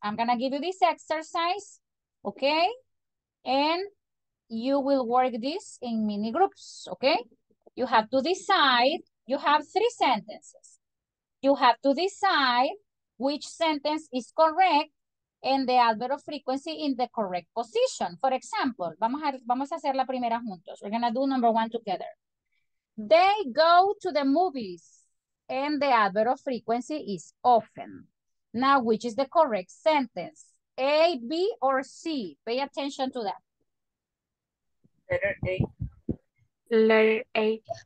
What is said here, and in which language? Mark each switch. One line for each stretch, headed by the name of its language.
English: I'm going to give you this exercise. Okay. And you will work this in mini groups. Okay. You have to decide. You have 3 sentences. You have to decide which sentence is correct and the adverb of frequency in the correct position. For example,
Spanish: vamos a hacer la primera juntos.
English: We're going to do number 1 together. They go to the movies, and the adverb of frequency is often. Now, which is the correct sentence? A, B, or C? Pay attention to that. Letter A.